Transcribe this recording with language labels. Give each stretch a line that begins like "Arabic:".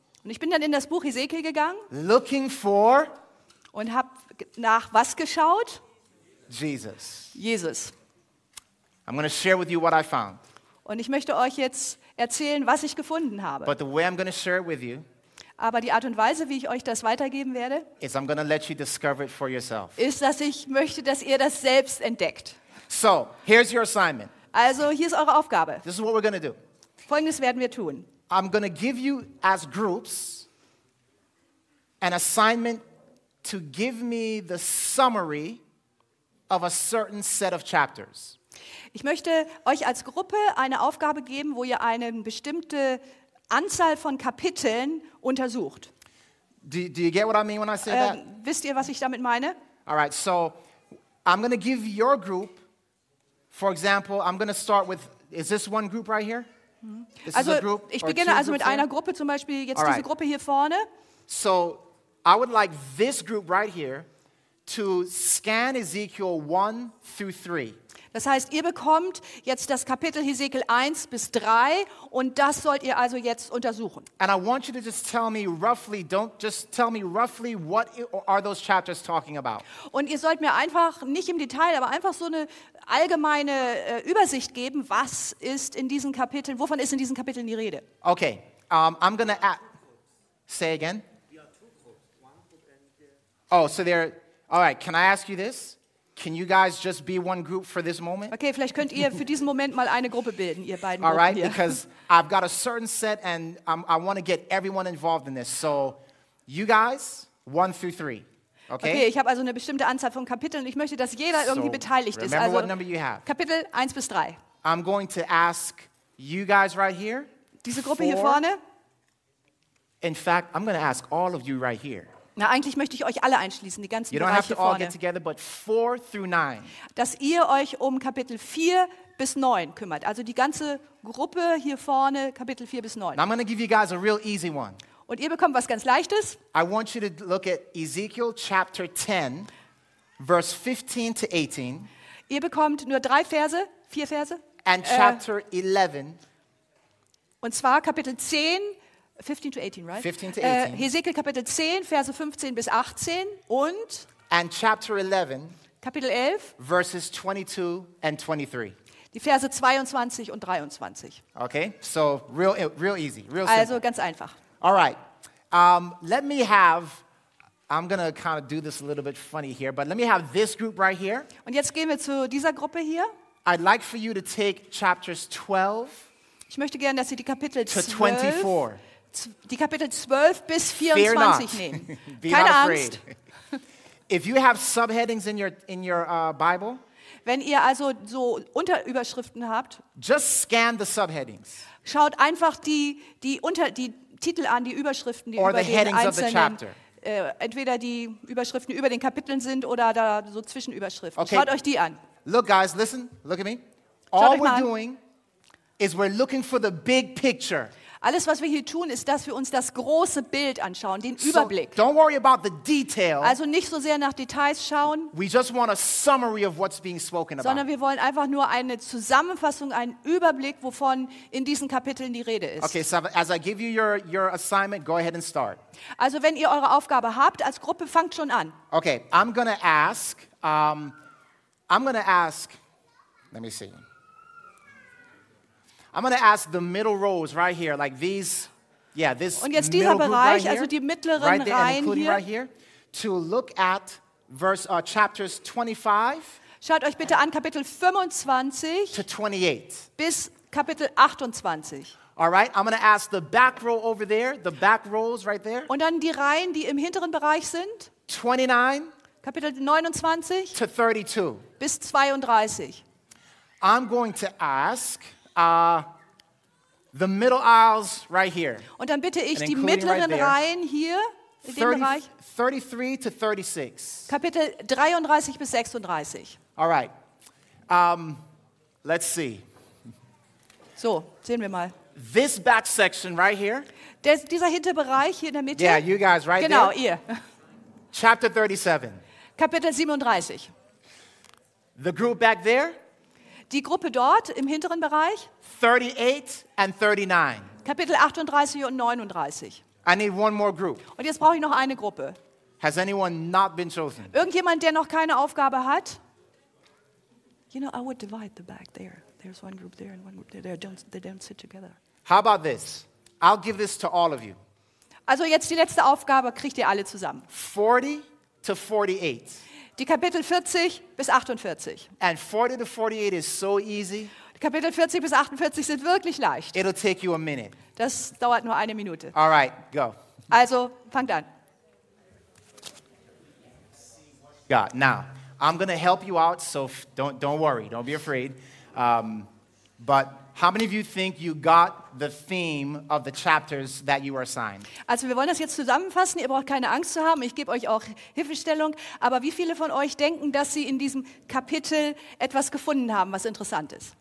German: und ich bin dann in das Buch Ezekiel gegangen
English: looking for
German: und habe nach was geschaut? Jesus. Jesus.
English: I'm going to share with you what I found.
German: Und ich möchte euch jetzt erzählen, was ich gefunden habe.
English: But the way I'm going to share it with you,
German: aber die Art und Weise, wie ich euch das weitergeben werde,
English: is I'm going to let you discover it for yourself.
German: Ist, dass ich möchte, dass ihr das selbst entdeckt.
English: So, here's your assignment.
German: Also, hier ist eure Aufgabe.
English: This is what we're going to do.
German: Folgendes werden wir tun.
English: I'm going to give you as groups an assignment to give me the summary of a certain set of chapters.
German: Ich möchte euch als Gruppe eine Aufgabe geben, wo ihr eine bestimmte Anzahl von Kapiteln untersucht.
English: Do you get what I mean when I say that?
German: Wisst ihr, was ich damit meine?
English: All right, so I'm going to give your group, for example, I'm going to start with, is this one group right here? This also, is a group,
German: ich beginne also mit einer Gruppe, zum Beispiel jetzt all diese right. Gruppe hier vorne.
English: So I would like this group right here to scan Ezekiel 1 through 3.
German: Das heißt, ihr bekommt jetzt das Kapitel Hesekiel 1 bis 3 und das sollt ihr also jetzt untersuchen.
English: And I want you to just tell me roughly, don't just tell me roughly, what are those chapters talking about?
German: Und ihr sollt mir einfach, nicht im Detail, aber einfach so eine allgemeine Übersicht geben, was ist in diesen Kapiteln, wovon ist in diesen Kapiteln die Rede?
English: Okay, I'm gonna say again. Oh, so there, all right, can I ask you this? Can you guys just be one group for this moment?
German: Okay, vielleicht könnt ihr für diesen Moment mal eine Gruppe bilden, ihr beiden.
English: All right, because I've got a certain set and I want to get everyone involved in this. So you guys, 1 through 3, okay?
German: Okay, ich habe also eine bestimmte Anzahl von Kapiteln und ich möchte, dass jeder irgendwie beteiligt ist.
English: Remember what number you have.
German: Kapitel 1 bis 3.
English: I'm going to ask you guys right here.
German: Diese Gruppe hier vorne.
English: In fact, I'm going to ask all of you right here.
German: Na, eigentlich möchte ich euch alle einschließen, die ganzen Bereiche vorne.
English: You don't have to all get together, but 4 through 9.
German: Dass ihr euch um Kapitel 4 bis 9 kümmert. Also die ganze Gruppe hier vorne, Kapitel 4 bis 9.
English: Now I'm going to give you guys a real easy one.
German: Und ihr bekommt was ganz Leichtes.
English: I want you to look at Ezekiel chapter 10, verse 15 to 18.
German: Ihr bekommt nur drei Verse, vier Verse.
English: And chapter 11.
German: Und zwar Kapitel 10.
English: 15 to 18, right? 15 to 18.
German: Hesekiel Kapitel 10, Verse 15 bis 18 und
English: and chapter 11,
German: Kapitel 11,
English: verses 22 and 23.
German: Die Verse 22 und 23.
English: Okay, so real easy, real
German: also
English: simple.
German: Ganz einfach.
English: All right, let me have, I'm gonna kind of do this a little bit funny here, but let me have this group right here.
German: Und jetzt gehen wir zu dieser Gruppe hier.
English: I'd like for you to take chapters 12.
German: Ich möchte gerne, dass ihr die Kapitel 12,
English: to 24.
German: Die Kapitel 12 bis 24 nehmen. Keine Angst.
English: If you have subheadings in your Bible,
German: wenn ihr also so Unterüberschriften habt,
English: just scan the subheadings.
German: Schaut einfach die Titel an, die Überschriften, die
English: or
German: über
English: the
German: den einzelnen entweder die Überschriften über den Kapiteln sind oder da so Zwischenüberschriften. Okay. Schaut euch die an.
English: Look guys, listen, look at me. All we're doing is we're looking for the big picture.
German: Alles, was wir hier tun, ist, dass wir uns das große Bild anschauen, den Überblick.
English: So don't worry about the detail.
German: Also nicht so sehr nach Details schauen,
English: we just want a summary of what's being spoken
German: sondern
English: about.
German: Wir wollen einfach nur eine Zusammenfassung, einen Überblick, wovon in diesen Kapiteln die Rede ist.
English: Okay, so as I give you your assignment, go ahead and start.
German: Also wenn ihr eure Aufgabe habt als Gruppe, fangt schon an.
English: Okay, I'm gonna ask, let me see. I'm going to ask the middle rows right here, like these, yeah, this
German: und jetzt dieser
English: middle
German: Bereich,
English: group right here,
German: also die mittleren
English: right there,
German: Reihen
English: including
German: hier,
English: right here, to look at chapters 25.
German: Schaut euch bitte an, Kapitel 25
English: to 28.
German: Bis Kapitel 28.
English: All right, I'm going to ask the back row over there, the back rows right there.
German: Und dann die Reihen, die im hinteren Bereich sind.
English: 29.
German: Kapitel 29.
English: To 32.
German: Bis 32.
English: I'm going to ask the middle aisles right here.
German: Und dann bitte ich die mittleren
English: right
German: Reihen hier in 30, dem Bereich.
English: 33 to 36.
German: Kapitel 33 bis 36.
English: All right. Let's see.
German: So, sehen wir mal.
English: This back section right here.
German: Dieser Hinterbereich hier in der Mitte.
English: Yeah, you guys right
German: genau,
English: there.
German: Genau, ihr.
English: Chapter 37.
German: Kapitel 37.
English: The group back there.
German: Die Gruppe dort im hinteren Bereich.
English: 38 and 39.
German: Kapitel 38 und 39.
English: I need one more group.
German: Und jetzt brauche ich noch eine Gruppe.
English: Has anyone not been chosen?
German: Irgendjemand, der noch keine Aufgabe hat?
English: You know, I would divide the back there. There's one group there and one group there. They don't sit together. How about this? I'll give this to all of you.
German: Also jetzt die letzte Aufgabe kriegt ihr alle zusammen.
English: 40 to 48.
German: Die Kapitel 40 bis 48.
English: And 40 to 48 is so easy.
German: Kapitel 40 bis 48 sind wirklich leicht.
English: It'll take you a minute.
German: Das dauert nur eine Minute.
English: All right, go.
German: Also, fangt an.
English: Yeah, now, I'm going to help you out, so don't worry, don't be afraid. But how many of you think you got the theme of the chapters that you are assigned?
German: Also, wir wollen das jetzt zusammenfassen. Ihr braucht keine Angst zu haben. Ich gebe euch auch Hilfestellung. Aber wie viele von euch denken, dass sie in diesem Kapitel etwas gefunden haben, was interessant ist?